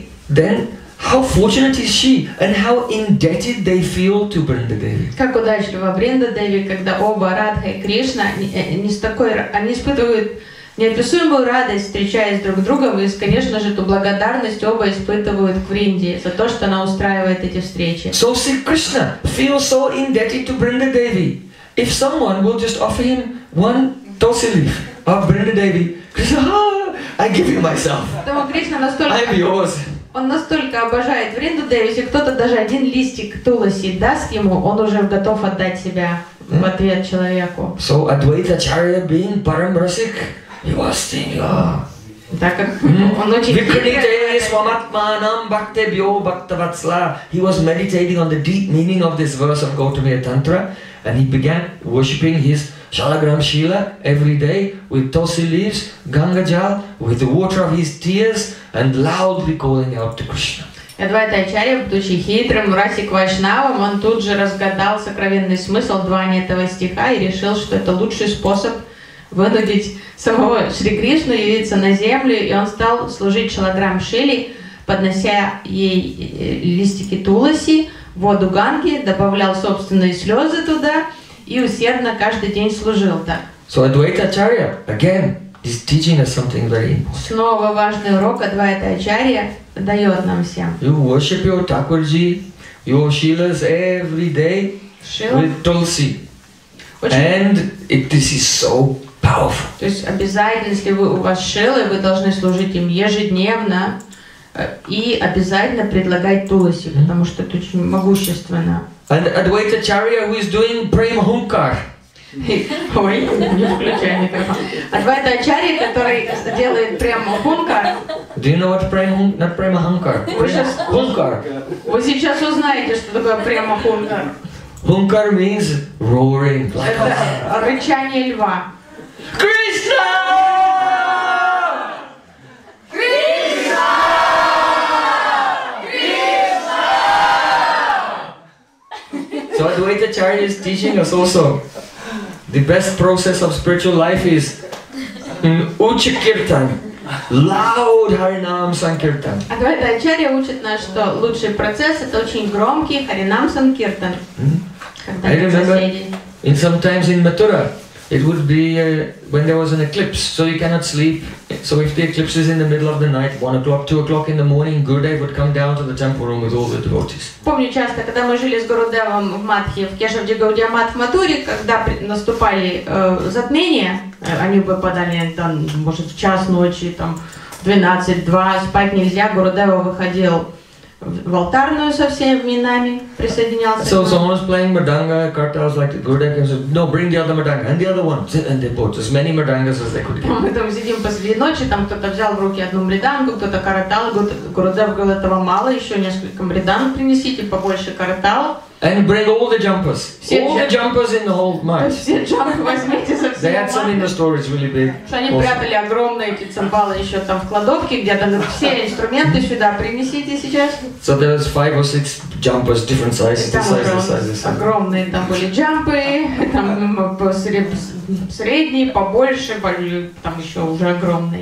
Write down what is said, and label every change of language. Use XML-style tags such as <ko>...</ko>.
<en>Then how fortunate is she, and how indebted they feel to Brinda Devi.</en> <ru>Как удачливо Бринда Деви, когда оба Радха и Кришна не с такой, они испытывают неописуемую радость, встречаясь друг с другом, и, конечно же, эту благодарность оба испытывают к Бринде за то, что она устраивает эти встречи.</ru> <en>So see, Krishna feels so indebted to Brinda Devi. If someone will just offer him one tulsi leaf of Brinda Devi, Krishna, I give you myself.</en> <ru>Поэтому Кришна настолько.</ru> <en>I'm yours.</en> <ru>Он настолько обожает Вринду Деви, если кто-то даже один листик туласи даст ему, он уже готов отдать себя в ответ человеку.</ru> <en>So Advaita Acharya being Param Rasik, he was thinking,</en> <ru>так как он очень</ru> <sa>Vikrinite Swamatmanam Bhaktebhyo Bhaktavatsala.</sa> <en>He was meditating on the deep meaning of this verse of Gautamiya Tantra, and he began worshipping his Shalagram Shila every day with Tosi leaves, Ganga Jal, with the water of his tears, and loudly calling out to Krishna.</en> <ru>Advaita Acharya, будучи хитрым Расик Вайшнавом, он тут же разгадал сокровенный смысл двани этого стиха и решил, что это лучший способ вынудить самого Шри Кришну явиться на землю, и он стал служить Шалаграм Шили, поднося ей листики туласи, воду Ганги, добавлял собственные слезы туда и усердно каждый день служил так.</ru> <en>So Advaita Acharya, again, This teaching is something very important.</en> <ru>Снова важный урок Адвайта Ачарья дает нам всем.</ru> <en>You worship your Thakurji, your Shilas every day with Tulsi. And this is so powerful.</en> <ru>То есть обязательно, если вы у вас Шилы, вы должны служить им ежедневно и обязательно предлагать Тулси, потому что это очень могущественно.</ru> <en>And Advaita Charya who is doing Premahunkar.</en> <ru>Ой, не включай микрофон. Адвайта Ачарья, который делает Премахункар.</ru> <en>Do you know what Премахункар? Премахункар.</en> <ru>Вы сейчас узнаете, что такое Премахункар.</ru> <en>Хункар means roaring.</en> <ru>Это рычание льва. Кришна! Кришна! Кришна!</ru> <en>So Адвайта Ачарья is teaching us also. The best process of spiritual life is Uchi Kirtan, loud Harinam Sankirtan.</en> <ru>Адвайта Ачарья учит нас, что лучший процесс – это очень громкий Харинам Санкиртан.</ru> <en>I remember, sometimes in Mathura, it would be when there was an eclipse, so you cannot sleep. So if the eclipse is in the middle of the night, 1 o'clock, 2 o'clock in the morning, Gurudev would come down to the temple room with all the devotees.</en> <ru>Помню часто, когда мы жили с Гурудевом в Матхе, в Кешавджи Гаудиамат в Матуре, когда наступали затмения, они выпадали там, может, в час ночи, там, 12:02, спать нельзя, Гурудева выходил в алтарную со всеми нами присоединялся.</ru> <en>So someone was playing madanga, kartals like Gurudev came said, no, bring the other madanga and the other one. And they bought as many madangas as they could get.</en> <ru>Мы там сидим посреди ночи, там кто-то взял в руки одну мридангу, кто-то картал, Гурудев говорил, этого мало, еще несколько мриданг принесите, побольше картал.</ru> <en>And bring all the jumpers. All the jumpers in the whole mat.</en> <ru>Все джампы возьмите со всей маты.</ru> <en>They had some in the storage, really big.</en> <ru>Они прятали огромные эти цимбалы еще там в кладовке, где-то все инструменты сюда принесите сейчас.</ru> <en>So there was 5 or 6 jumpers, different sizes, the sizes, the sizes.</en> <ru>Огромные там были джампы, там средние, побольше, там еще уже огромные.</ru>